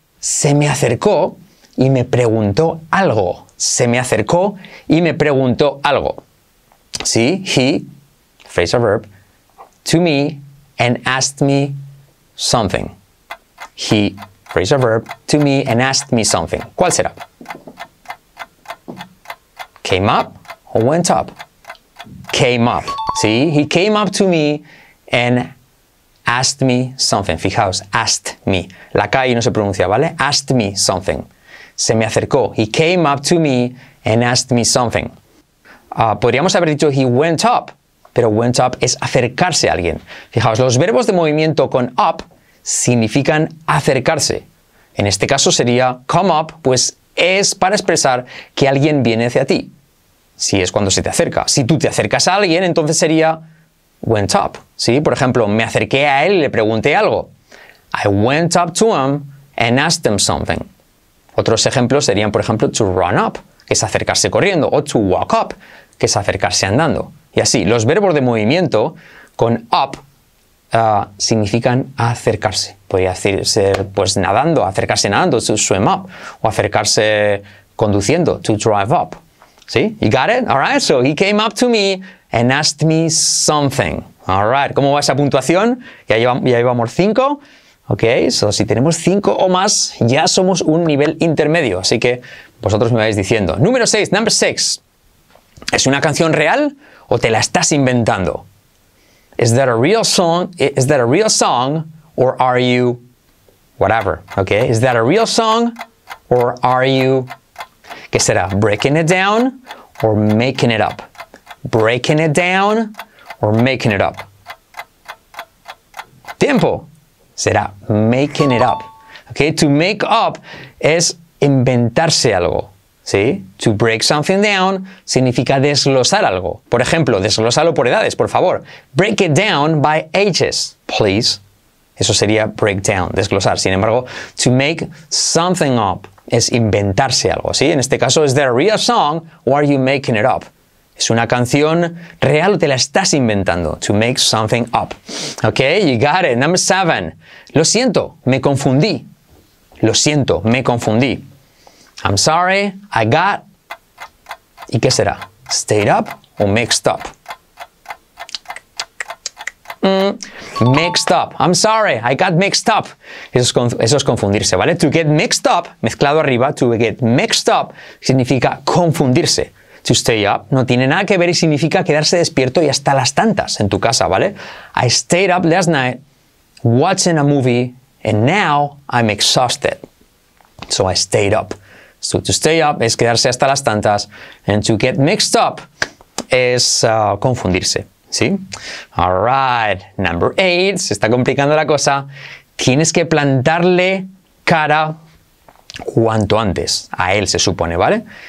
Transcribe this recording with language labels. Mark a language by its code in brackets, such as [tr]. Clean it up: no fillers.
[es] Se me acercó y me preguntó algo. Se me acercó y me preguntó algo. ¿Sí? He, [en] phrase or verb, to me and asked me something. He, phrase or verb, to me and asked me something. [es] ¿Cuál será? [en] Came up or went up? Came up. See, he came up to me and asked me something. Fijaos, asked me. [es] La K no se pronuncia, ¿vale? [en] Asked me something. [es] Se me acercó. [en] He came up to me and asked me something. [es] Podríamos haber dicho he went up, pero went up es acercarse a alguien. Fijaos, los verbos de movimiento con up significan acercarse. En este caso sería come up, pues es para expresar que alguien viene hacia ti. Si es cuando se te acerca. Si tú te acercas a alguien, entonces sería went up. ¿Sí? Por ejemplo, me acerqué a él y le pregunté algo. [en] I went up to him and asked him something. [es] Otros ejemplos serían, por ejemplo, to run up, que es acercarse corriendo, o to walk up, que es acercarse andando. Y así, los verbos de movimiento con up significan acercarse. Podría ser pues nadando, acercarse nadando, to swim up, o acercarse conduciendo, to drive up. ¿Sí? [en] You got it? All right, so he came up to me and asked me something. [es] All right, ¿cómo va esa puntuación? Ya llevamos 5. Ok, so si tenemos 5 o más, ya somos un nivel intermedio. Así que vosotros me vais diciendo. Número 6, number 6. ¿Es una canción real o te la estás inventando? [en] Is that a real song? Is that a real song or are you whatever? Ok, is that a real song or are you, [es] ¿qué será? [en] Breaking it down or making it up? Breaking it down or making it up? [es] Tiempo. Será making it up. Okay, to make up es inventarse algo. ¿Sí? To break something down significa desglosar algo. Por ejemplo, desglosalo por edades, por favor. [en] Break it down by ages, please. [es] Eso sería break down, desglosar. Sin embargo, to make something up es inventarse algo. ¿Sí? [en] En este caso, is there a real song or are you making it up? [es] ¿Es una canción real o te la estás inventando? [en] To make something up. Ok, you got it. Number 7. [es] Lo siento, me confundí. Lo siento, me confundí. [en] I'm sorry, I got... [es] ¿Y qué será? [en] ¿Stayed up o mixed up? Mixed up. I'm sorry, I got mixed up. [es] Eso es confundirse, ¿vale? To get mixed up, mezclado arriba, to get mixed up, significa confundirse. To stay up no tiene nada que ver y significa quedarse despierto y hasta las tantas en tu casa, ¿vale? [en] I stayed up last night watching a movie and now I'm exhausted. So I stayed up. So to stay up [es] es quedarse hasta las tantas [en] and to get mixed up [es] es confundirse, ¿sí? [en] All right, number 8, [es] se está complicando la cosa. Tienes que plantarle cara cuanto antes a él, se supone, ¿vale?